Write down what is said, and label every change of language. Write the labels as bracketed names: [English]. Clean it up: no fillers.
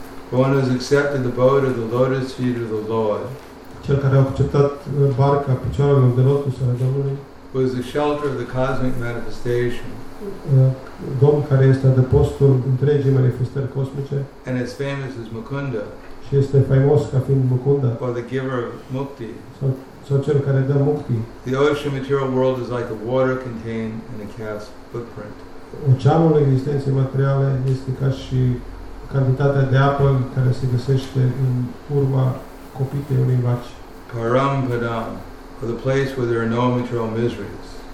[English] For one who has accepted the boat of the lotus feet of the Lord, [Romanian] cel care a acceptat barca picioarelor de lotus ale Domnului, [English] who is the shelter of the cosmic manifestation, [Romanian] Domn care este adăpostul întregii manifestări cosmice, [English] and it's famous as Mukunda, [Romanian] și este faimos ca fiind Mukunda, [English] or the giver of mukti, [Romanian] sau cel care dă mukti. [English] The ocean material world is like the water contained in a calf's footprint. [Romanian] Oceanul existenței materiale este ca și cantitatea de apă care se găsește în urma copitei unei vaci. [English] Param padam, or the place where there are no material miseries.